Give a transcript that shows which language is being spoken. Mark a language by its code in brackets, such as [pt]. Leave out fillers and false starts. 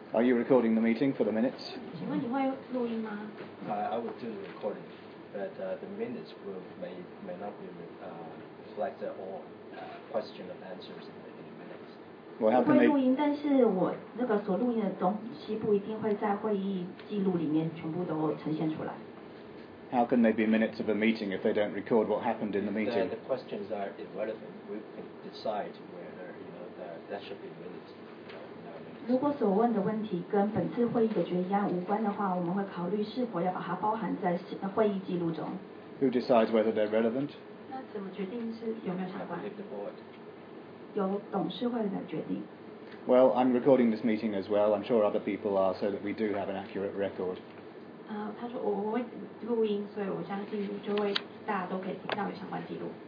[en] Are you recording the meeting for the minutes? [zh] 请问你会录音吗？ [en] I would do the recording, but the minutes will may not be reflect all question and answers in the minutes. Well, how can [zh] they? 我会录音，但是我那个所录音的东西不一定会在会议记录里面全部都呈现出来。 [en] How can they be minutes of a meeting if they don't record what happened in the meeting? The questions are irrelevant. We can decide whether that should be minutes. [zh] 如果所问的问题跟本次会议的决议案无关的话，我们会考虑是否要把它包含在会议记录中。 [en] Who decides whether they're relevant? [zh] 那怎么决定是有没有相关？ [en] I believe the board. [zh] 由董事会来决定。 [en] Well, I'm recording this meeting as well. I'm sure other people are, so that we do have an accurate record. [zh] 他说我会录音，所以我相信就会大家都可以听到有相关记录。